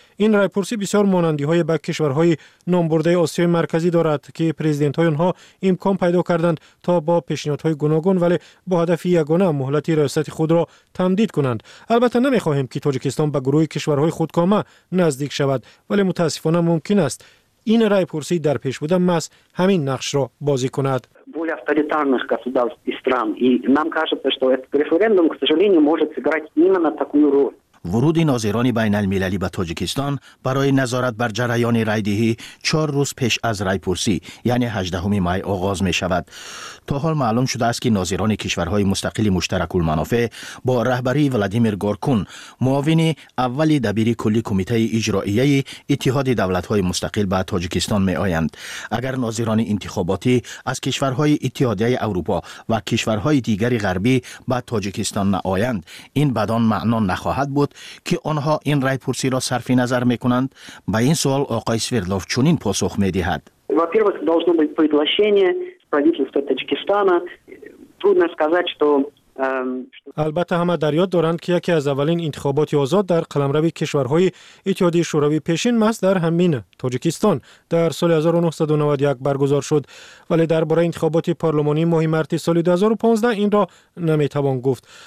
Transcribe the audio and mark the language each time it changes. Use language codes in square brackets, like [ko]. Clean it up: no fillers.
[fa] این رایپرسی بسیار مانندی‌های به کشورهای نامبرده آسیای مرکزی دارد که پرزیدنت‌های آنها امکان پیدا کردند تا با پیشنهادهای گوناگون ولی با هدف یگانه مهلت ریاست خود را تمدید کنند. البته نمی‌خواهیم که تاجیکستان به گروه کشورهای خودکامه نزدیک شود، ولی متاسفانه ممکن است این رایپرسی در پیش بوده ماس همین نقش را بازی کند. [ru] более авторитарных государств и стран, и нам кажется, что этот референдум, к сожалению, может сыграть именно такую роль. [fa] ورود ناظران بین المللی به تاجیکستان برای نظارت بر جریان رایدهی 4 روز پیش از رایپرسی یعنی 18 می آغاز می شود. تا حال معلوم شده است که ناظران کشورهای مستقل مشترک المنافع با رهبری ولادیمیر گورکون، معاون اول دبیر کلی کمیته اجرائیه اتحاد دولت‌های مستقل به تاجیکستان می آیند. اگر ناظران انتخاباتی از کشورهای اتحادیه اروپا و کشورهای دیگر غربی به تاجیکستان نآیند، این بدان معنا نخواهد بود که آنها این رای پرسی را صرف نظر می کنند. به این سوال آقای سویردلوف چنین پاسخ می دهد. [ru] во-первых, должно быть приглашение правительства Таджикистана. Трудно сказать, что [fa] البته همه در یاد دارند که یکی از اولین انتخابات آزاد در قلمرو کشورهای اتحادیه شوروی پیشین ماس در همین تاجیکستان در سال 1991 برگزار شد، ولی درباره انتخابات پارلمانی ماه مارس سال 2015 این را نمیتوان گفت.